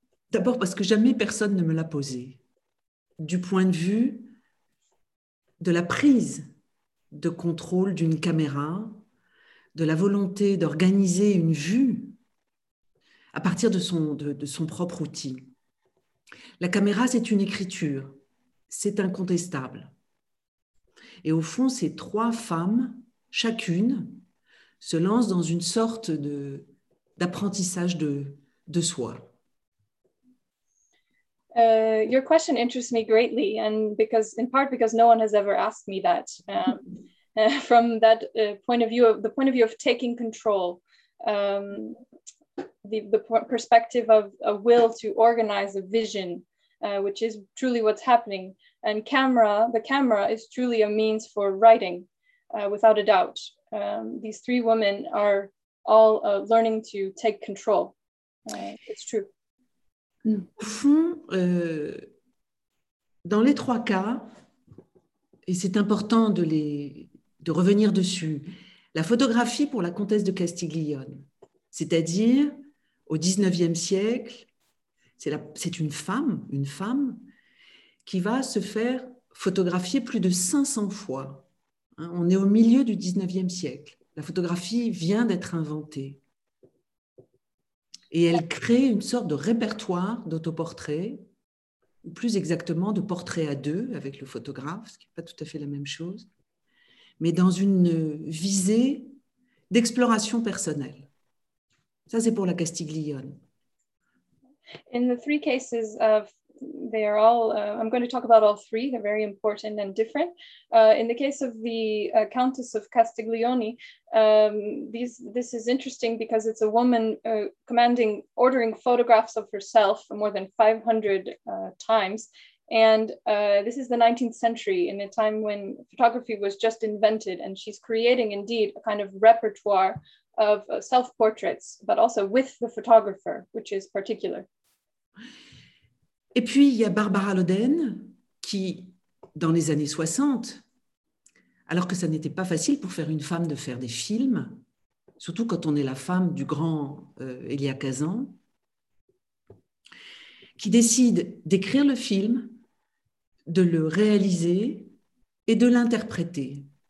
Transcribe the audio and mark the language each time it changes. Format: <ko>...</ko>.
<fr>D'abord parce que jamais personne ne me l'a posée. Du point de vue de la prise de contrôle d'une caméra, de la volonté d'organiser une vue à partir de son propre outil. La caméra, c'est une écriture, c'est incontestable. Et au fond, ces trois femmes, chacune, se lancent dans une sorte d'apprentissage de soi.</fr> <en>Your question interests me greatly, and because no one has ever asked me that. From that point of view of taking control, the perspective of a will to organize a vision, which is truly what's happening. And the camera is truly a means for writing, without a doubt. These three women are all learning to take control. It's true.</en> <fr>Au fond, dans les trois cas, et c'est important de revenir dessus, la photographie pour la comtesse de Castiglione, c'est-à-dire au XIXe siècle, c'est une femme qui va se faire photographier plus de 500 fois. Hein, on est au milieu du XIXe siècle. La photographie vient d'être inventée. Et elle crée une sorte de répertoire d'autoportraits, ou plus exactement de portraits à deux avec le photographe, ce qui n'est pas tout à fait la même chose, mais dans une visée d'exploration personnelle. Ça, c'est pour la Castiglione.</fr> <en>In the three cases of they are all, I'm going to talk about all three, they're very important and different. In the case of the Countess of Castiglione, this is interesting because it's a woman commanding, ordering photographs of herself more than 500 times. And this is the 19th century, in a time when photography was just invented, and she's creating indeed a kind of repertoire of self-portraits, but also with the photographer, which is particular.</en> <fr>Et puis, il y a Barbara Loden qui, dans les années 60, alors que ça n'était pas facile pour faire une femme de faire des films, surtout quand on est la femme du grand Elia Kazan, qui décide d'écrire le film, de le réaliser et de l'interpréter.</fr>